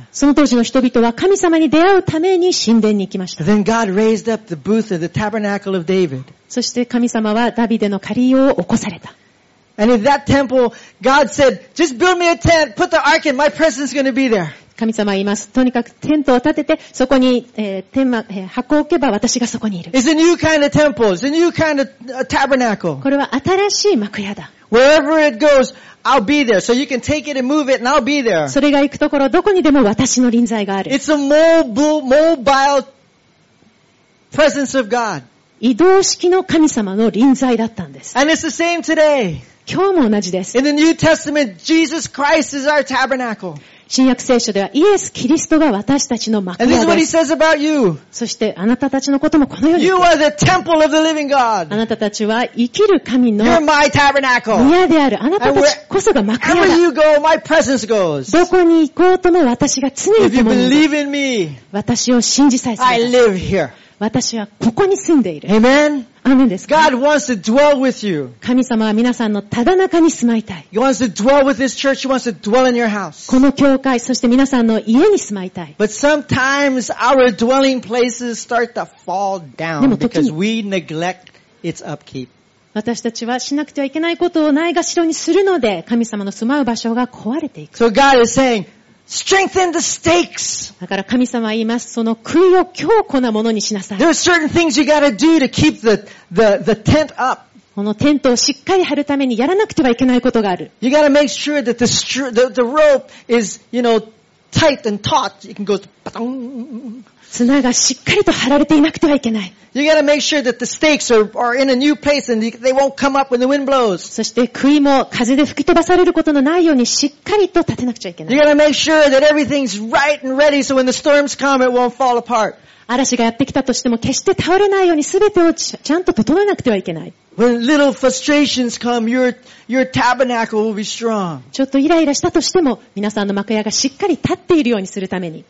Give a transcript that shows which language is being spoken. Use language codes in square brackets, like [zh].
[ja] その当時の人々は神様に出会うために神殿に行きました。 [en] Then God raised up the booth of the tabernacle of David. [ja] そして神様はダビデの仮を起こされた。 [en] And in that temple, God said, "Just build me a tent, put the ark in. My presence is going to be there." [ja] 神様は言います。とにかくテントを建ててそこに、天幕、箱を置けば私がそこにいる。 [en] It's a new kind of temple. It's a new kind of tabernacle. [ja] これは新しい幕屋だ。 [en] Wherever it goes, I'll be there. So you can take it and move it, and I'll be there. [ja] それが行くところどこにでも私の臨在がある。 [en] It's a mobile presence of God. [ja] 移動式の神様の臨在だったんです。 [en] And it's the same today. [ja] 今日も同じです。 [en] In the New Testament, Jesus Christ is our tabernacle. [ja] 新約聖書ではイエス・キリストが私たちの幕屋です。 [en] And this is what he says about you. [ja] そしてあなたたちのこともこのように。 [en] You are the temple of the living God. [ja] あなたたちは生きる神の。 [en] You're my tabernacle. [ja] 宮である。あなたたちこそが幕屋だ。 [en] Wherever you go, my presence goes. [ja] どこに行こうとも私が常に共 [en] に。If you believe in me, [ja] 私を信じさえすれば。 [en] I live here. [ja] 私はここに住んでいる。 [en] Amen. [ja] アメンですか。 [en] God wants to dwell with you. [ja] 神様は皆さんのただ中に住まいたい。 [en] He wants to dwell with this church. He wants to dwell in your house. [ja] この教会、そして皆さんの家に住まいたい。 [en] But sometimes our dwelling places start to fall down because we neglect its upkeep. [ja] 私たちはしなくてはいけないことをないがしろにするので、神様の住まう場所が壊れていく。 [en] So God is saying. Strengthen the stakes. [ja] だから神様は言います。その杭を強固なものにしなさい。 [en] There are certain things you gotta do to keep the tent up. [ja] このテントをしっかり張るためにやらなくてはいけないことがある。 [en] You gotta make sure that the rope is, you know, tight and taut. You can go bang. [ja] 綱がしっかりと張られていなくてはいけない。 [en] You gotta make sure that the stakes are in a new place and they won't come up when the wind blows. [ja] そして杭も風で吹き飛ばされることのないようにしっかりと立てなくちゃいけない。 [en] You gotta make sure that everything's right and ready so when the storms come it won't fall apart. [ja] 嵐がやってきたとしても決して倒れないように全てをちゃんと整えなくてはいけない。 [en] When little frustrations come, your tabernacle will be strong. [ja] ちょっとイライラしたとしても、皆さんの幕屋がしっかり立っているようにするために。